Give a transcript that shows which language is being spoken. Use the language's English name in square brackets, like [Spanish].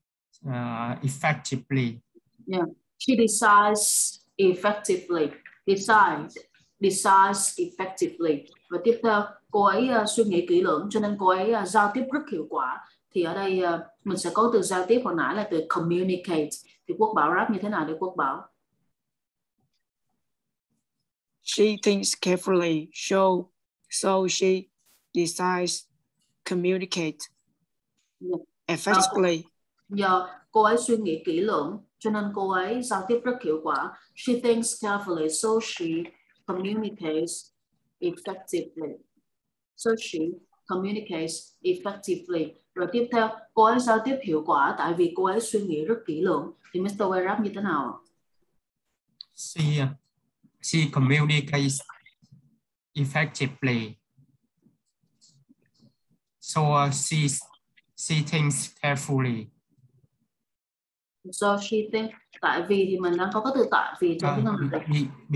[English] So she decides effectively. Yeah, she decides effectively. Decides effectively. [Vietnamese] Và tiếp theo, cô ấy suy nghĩ kỹ lưỡng, cho nên cô ấy giao tiếp rất hiệu quả. Thì ở đây mình sẽ có từ giao tiếp hồi nãy là từ communicate. Thì Quốc Bảo rap như thế nào để Quốc Bảo? [English] She thinks carefully, so she decides communicate effectively. [Vietnamese] Cô ấy suy nghĩ kỹ lưỡng, cho nên cô ấy giao tiếp rất hiệu quả. [English] She thinks carefully, so she communicates effectively. So she communicates effectively. [Vietnamese] Rồi tiếp theo, cô ấy giao tiếp hiệu quả tại vì cô ấy suy nghĩ rất kỹ lưỡng. Thì Mr. Warren như thế nào? [English] She communicates effectively. So she thinks carefully. So she thinks, [Vietnamese] tại vì thì mình đang có từ tại vì trong tiếng Anh.